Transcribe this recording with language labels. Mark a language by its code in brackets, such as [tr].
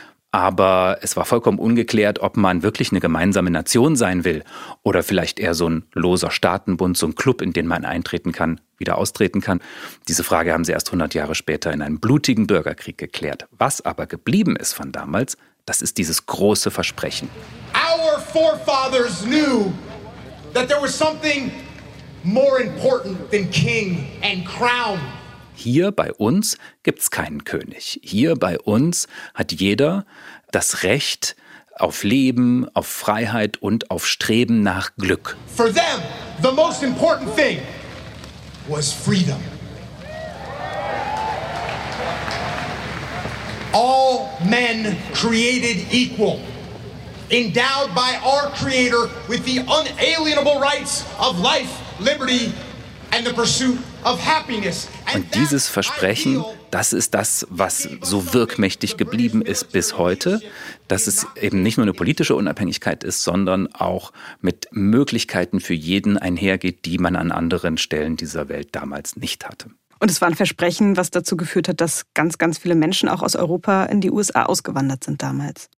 [de] Aber es war vollkommen ungeklärt, ob man wirklich eine gemeinsame Nation sein will oder vielleicht eher so ein loser Staatenbund, so ein Club, in den man eintreten kann, wieder austreten kann. Diese Frage haben sie erst 100 Jahre später in einem blutigen Bürgerkrieg geklärt. Was aber geblieben ist von damals, das ist dieses große Versprechen. [en] Our forefathers knew that there was something more important than king and crown. [de] Hier bei uns gibt es keinen König. Hier bei uns hat jeder das Recht auf Leben, auf Freiheit und auf Streben nach Glück. [en] For them, the most important thing was freedom. All men created equal, endowed by our Creator with the unalienable rights of life, liberty and the pursuit of happiness. [de] Und dieses Versprechen, das ist das, was so wirkmächtig geblieben ist bis heute, dass es eben nicht nur eine politische Unabhängigkeit ist, sondern auch mit Möglichkeiten für jeden einhergeht, die man an anderen Stellen dieser Welt damals nicht hatte. Und es war ein Versprechen, was dazu geführt hat, dass ganz, ganz viele Menschen auch aus Europa in die USA ausgewandert sind damals.